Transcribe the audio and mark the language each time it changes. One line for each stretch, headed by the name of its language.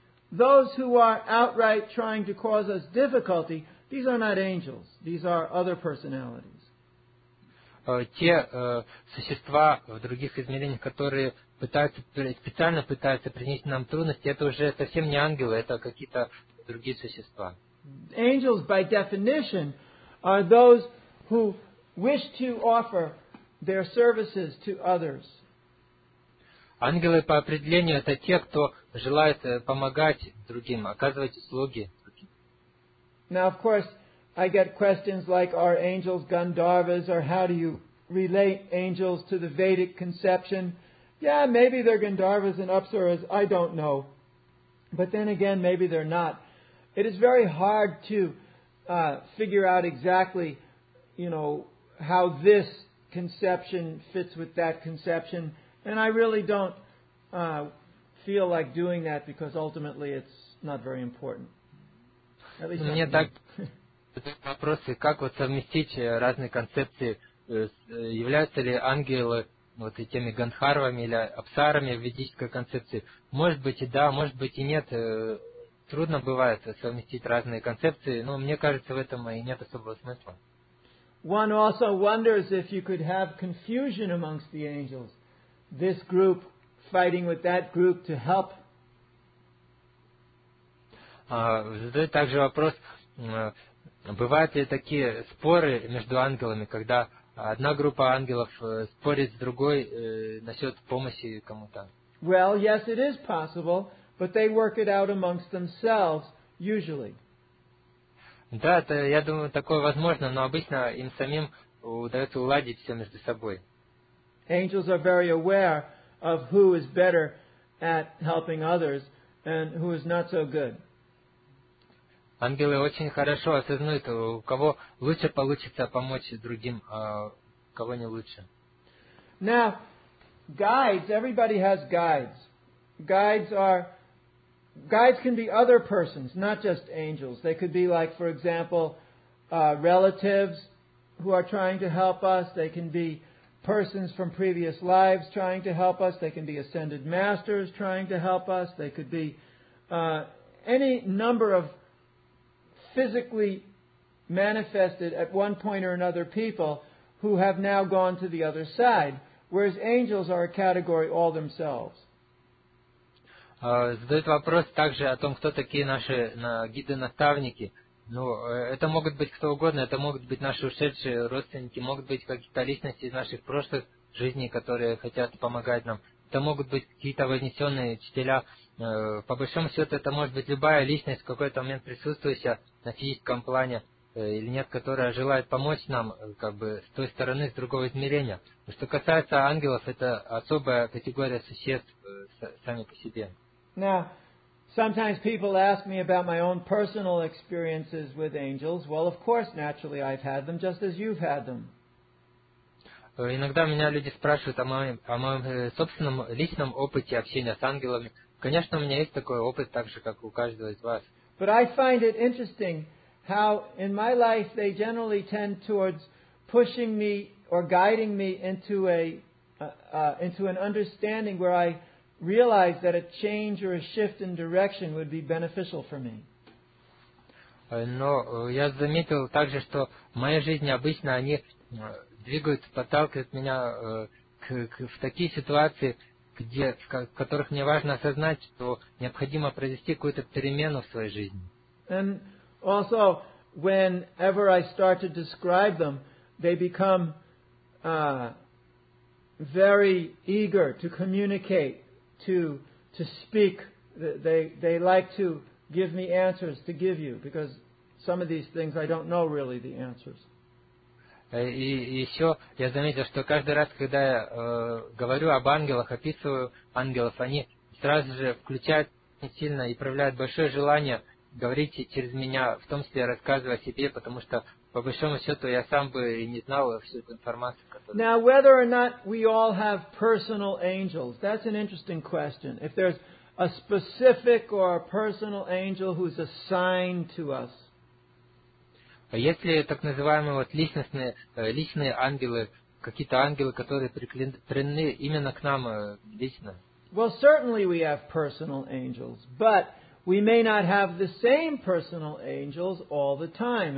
English: Those who are outright trying to cause us difficulty, these are not angels. These are other personalities.
Russian: Те существа в других измерениях, которые специально пытаются принести нам трудности, это уже совсем не ангелы, это какие-то другие существа.
English: Angels, by definition, are those who wish to offer their services to others.
Russian: Ангелы, по определению, это те, кто желает помогать другим, оказывать услуги.
English: Now, of course, I get questions like, are angels Gandharvas, or how do you relate angels to the Vedic conception? Yeah, maybe they're Gandharvas and Apsaras, I don't know. But then again, maybe they're not. It is very hard to figure out exactly, you know, how this conception fits with that conception. And I really don't feel like doing that because ultimately it's not very important.
Russian: Мне так вопросы, как вот совместить разные концепции, являются ли ангелы вот этими гандхарвами или апсарами в ведической концепции? Может быть и да, может быть и нет. Трудно бывает совместить разные концепции, но мне кажется, в этом и нет особого смысла.
English: One also wonders if you could have confusion amongst the angels. This group fighting with that group to help.
Russian: Задает также вопрос, бывают ли такие споры между ангелами, когда одна группа ангелов спорит с другой насчет помощи кому-то?
English: Well, yes, it is possible, but they work it out amongst themselves, usually.
Russian: Да, это, я думаю, такое возможно, но обычно им самим удается уладить все между собой.
English: Angels are very aware of who is better at helping others and who is not so good.
Russian: Ангелы очень хорошо осознают, у кого лучше получится помочь другим, а у кого не лучше.
English: Now, guides, everybody has guides. Guides can be other persons, not just angels. They could be like, for example, relatives who are trying to help us. They can be persons from previous lives trying to help us. They can be ascended masters trying to help us. They could be any number of physically manifested at one point or another people who have now gone to the other side, whereas angels are a category all themselves.
Russian: Задают вопрос также о том, кто такие наши гиды-наставники. Ну, это могут быть кто угодно, это могут быть наши ушедшие родственники, могут быть какие-то личности из наших прошлых жизней, которые хотят помогать нам. Это могут быть какие-то вознесенные учителя. По большому счету, это может быть любая личность, в какой-то момент присутствующая на физическом плане или нет, которая желает помочь нам как бы с той стороны, с другого измерения. Что касается ангелов, это особая категория существ сами по себе.
English: Now, sometimes people ask me about my own personal experiences with angels. Well, of course, naturally, I've had them, just as you've had them.
Russian: Иногда меня люди спрашивают о моем собственном личном опыте общения с ангелами. Конечно, у меня есть такой опыт, так же, как у каждого из вас.
English: But I find it interesting how in my life they generally tend towards pushing me or guiding me into an understanding where I realize that a change or a shift in direction would be beneficial for me.
Russian: Но я заметил также, что в моей жизни обычно они двигают, подталкивают меня в такие ситуации, в которых мне важно осознать, что необходимо произвести какую-то перемену в своей жизни.
English: And also, whenever I start to describe them, they become very eager to communicate. To speak they like to give me answers to give you, because some of these things I don't know really the answers.
Russian: И еще я заметил, что каждый раз, когда я говорю об ангелах, описываю ангелов, они сразу же включают сильно и проявляют большое желание говорить через меня, в том числе рассказывать о себе, потому что по большому счету я сам бы и не знал всю эту информацию. Которую...
English: Now, whether or not we all have personal angels, that's an interesting question. If there's a specific or a personal angel who's assigned to us.
Russian: Если так называемые вот личные ангелы, какие-то ангелы, которые приклеены именно к нам лично.
English: Well, certainly we have personal angels, but we may not have the same personal angels all the time.